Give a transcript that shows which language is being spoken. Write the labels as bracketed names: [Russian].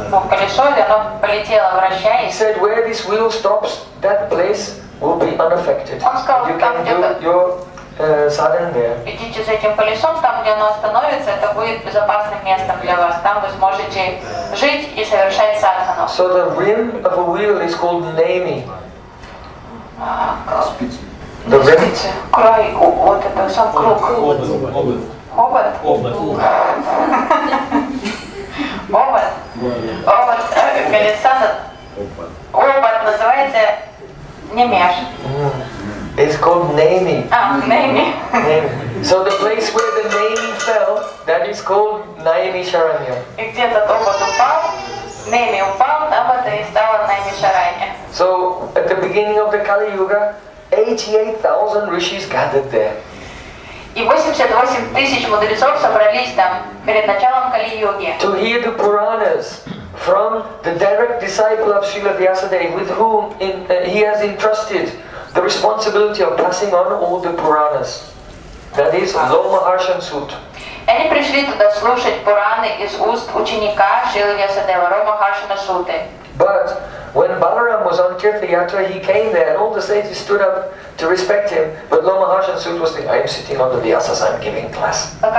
[Russian] Колесо, оно полетело, вращаясь. [English] He said, where this wheel stops, that place will be unaffected. [Russian] Он сказал, [English] you can do your sadhana there. [Russian] Идите с этим колесом, там, где оно остановится, это будет безопасным местом для вас. Там вы сможете жить и совершать садхану. [English] So the rim of a wheel is called nemi. The rim. [Russian] Край, вот это сам круг. Обод. Обод. Обод. Обод. Колеса. Обод называется Nemesh. [English] It's called Nemi. Nemi. So the place where the Nemi fell, that is called Naimisharanya. [Russian] И где этот обод упал? Nemi упал, там это и стало Naimisharanya. [English] So at the beginning of the Kali Yuga, 88,000 rishis gathered there. [Russian] И 88,000 мудрецов собрались там перед началом Кали Йоги. [English] To hear the Puranas from the direct disciple of Srila Vyasadeva, with whom he has entrusted the responsibility of passing on all the Puranas. That is Lomaharshan Sut. [Russian] Они пришли туда слушать Пураны из уст ученика Шрилы Вьясадева, Ромахаршана Суты. [English] But when Balaram was on Tirthayatra, he came there and all the sages stood up to respect him. But Lomaharshan Sut was thinking, I'm sitting on the Vyasas, I'm giving class.